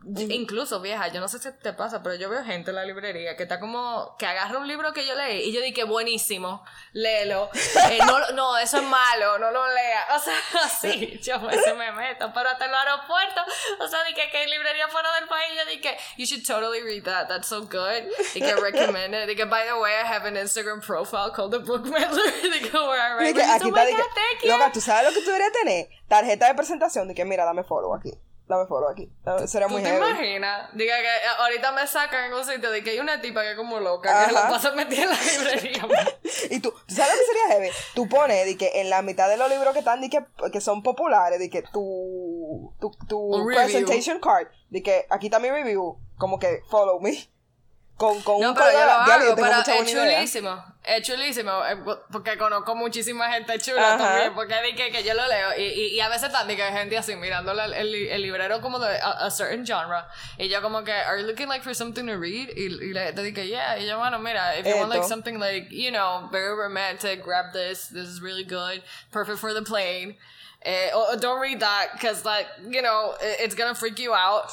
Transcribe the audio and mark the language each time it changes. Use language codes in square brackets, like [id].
[es] Incluso, vieja, yo no sé si te pasa, pero yo veo gente en la librería que está como que agarra un libro que yo leí y yo dije, buenísimo, léelo. No, eso es malo, no lo lea. O sea, así, yo se me meto, pero hasta en los aeropuertos. O sea, dije que hay librería fuera del país. Yo dije, [en] you should totally read that, that's so good. [es] Y que [en] recommend it. [es] Dije, [en] by the way, I have an Instagram profile called The Bookmailer. [es] Dije, [en] where I write. [es] Aquí está, loca, ¿tú sabes lo que tú deberías tener? Tarjeta de presentación, de que mira, dame follow aquí. Sería muy heavy. ¿Tú te imaginas? Diga que ahorita me sacan en un sitio de que hay una tipa que es como loca, ajá, que la pasa metida en la librería. Y tú, ¿sabes lo que sería heavy? Tú pones, de que en la mitad de los libros que están, de que son populares, de que tu [en] presentation card, [es] de que aquí está mi review, como que [en] follow me. [es] Con no, pero yo lo hago, es chulísimo, porque conozco muchísima gente chula. Ajá. También, porque dije que yo lo leo, y a veces también que hay gente así mirando el librero como de [en] a certain genre, [es] y yo como que, [en] are you looking like for something to read? [es] Y le dije, [en] yeah, [es] y yo, bueno, mira, [en] if you want like something like, you know, very romantic, grab this is really good, perfect for the plane. Don't read that, because like, you know, it's gonna freak you out.